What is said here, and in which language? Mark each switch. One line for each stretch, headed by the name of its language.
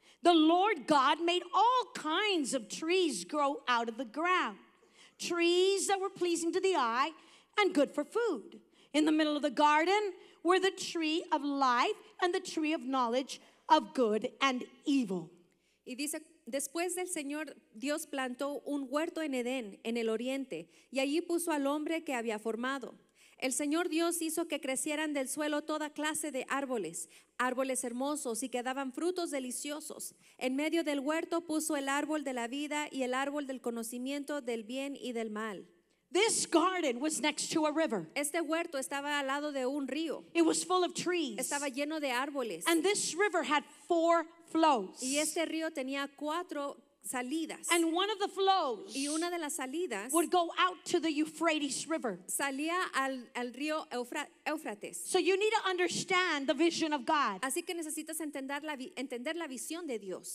English: The Lord God made all kinds of trees grow out of the ground, trees that were pleasing to the eye and good for food. In the middle of the garden were the tree of life and the tree of knowledge of good and evil.
Spanish: Y dice, después del Señor, Dios plantó un huerto en Edén, en el oriente, y allí puso al hombre que había formado. El Señor Dios hizo que crecieran del suelo toda clase de árboles, árboles hermosos y que daban frutos deliciosos. En medio del huerto puso el árbol de la vida y el árbol del conocimiento del bien y del mal.
English: This garden was next to a river.
Spanish: Este huerto estaba al lado de un río.
English: It was full of trees.
Spanish: Estaba lleno de árboles.
English: And this river had four flows.
Spanish: Y este río tenía cuatro salidas.
English: And one of the flows,
Spanish: y una de las salidas,
English: would go out to the Euphrates River.
Spanish: Salía al río Éufrates.
English: So you need to understand the vision of God.
Spanish: Así que necesitas entender la visión de Dios.